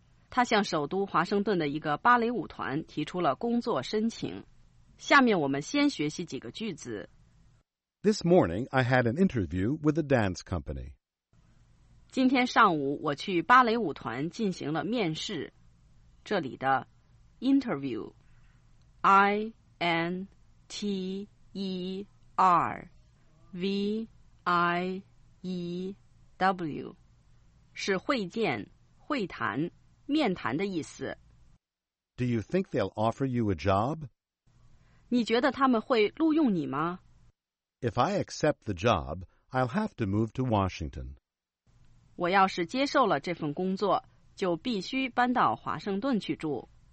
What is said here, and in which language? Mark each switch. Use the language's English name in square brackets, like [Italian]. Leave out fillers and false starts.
[Chinese] 他向首都华盛顿的一个芭蕾舞团提出了工作申请。下面我们先学习几个句子。 [English] This morning, I had an interview with a dance company. [Chinese] 今天上午我去芭蕾舞团进行了面试。这里的 interview, I-N-T-E-R-V-I-E-W, 是会见、会谈。面谈的意思。 [English] Do you think they'll offer you a job? [Chinese] 你觉得他们会录用你吗？ [English] If I accept the job, I'll have to move to Washington. [Chinese] 我要是接受了这份工作，就必须搬到华盛顿去住。